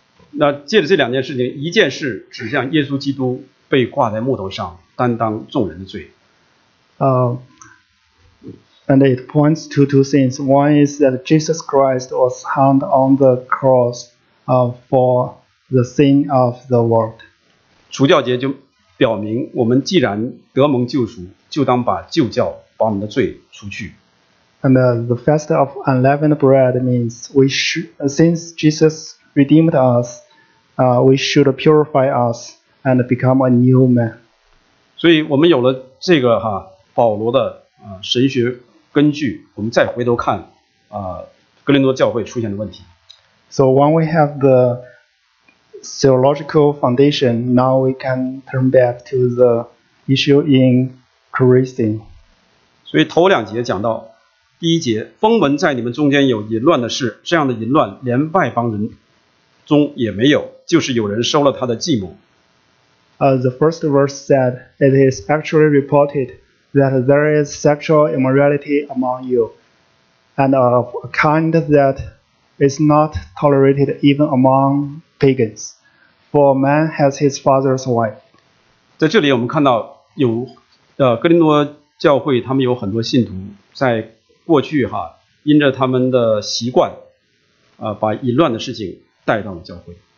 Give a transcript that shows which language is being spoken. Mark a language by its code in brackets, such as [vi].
[zh] 那借着这两件事情，一件是指向耶稣基督被挂在木头上，担当众人的罪。 [en] And it points to two things. One is that Jesus Christ was hung on the cross for the sin of the world. [zh] 除酵节就表明我们既然得蒙救赎，就当把旧酵把我们的罪除去。 [en] And the Feast of Unleavened Bread means since Jesus redeemed us, we should purify us and become a new man. [zh] 所以我们有了这个哈保罗的神学根据，我们再回头看哥林多教会出现的问题。 [en] So when we have the theological foundation, now we can turn back to the issue in Corinthians. [zh] 所以头两节讲到，第一节，风闻在你们中间有淫乱的事，这样的淫乱连外邦人中也没有，就是有人收了他的继母。 [en] The first verse said, it is actually reported that there is sexual immorality among you, and of a kind that is not tolerated even among pagans, for man has his father's wife. [zh] 在这里我们看到有哥林多教会他们有很多信徒在过去哈因着他们的习惯把淫乱的事情带到了教会。